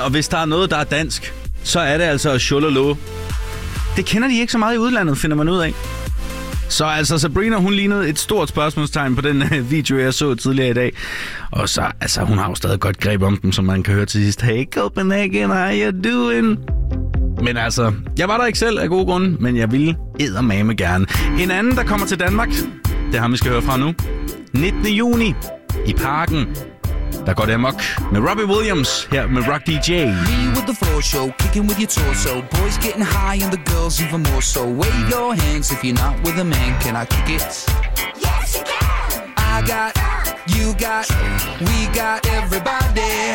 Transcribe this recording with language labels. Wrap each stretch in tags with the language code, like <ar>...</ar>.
<da>Og hvis der er noget, der er dansk, så er det altså sjololå. Det kender de ikke så meget i udlandet, finder man ud af. Så altså, Sabrina, hun lignede et stort spørgsmålstegn på den video, jeg så tidligere i dag. Og så, altså, hun har jo stadig godt greb om dem, som man kan høre til sidst.</da> <en>Hey, Copenhagen, how you doing?</en> <da>Men altså, jeg var der ikke selv af gode grunde, men jeg ville eddermame gerne. En anden, der kommer til Danmark, det er ham, vi skal høre fra nu. 19. juni, i Parken. Der går det amok med Robbie Williams her med Rock DJ.</da> <en>Me with the floor show, kicking with your torso. Boys getting high and the girls even more so. Wave your hands if you're not with a man. Can I kick it? Yes, you can! I got, you got, we got everybody.</en>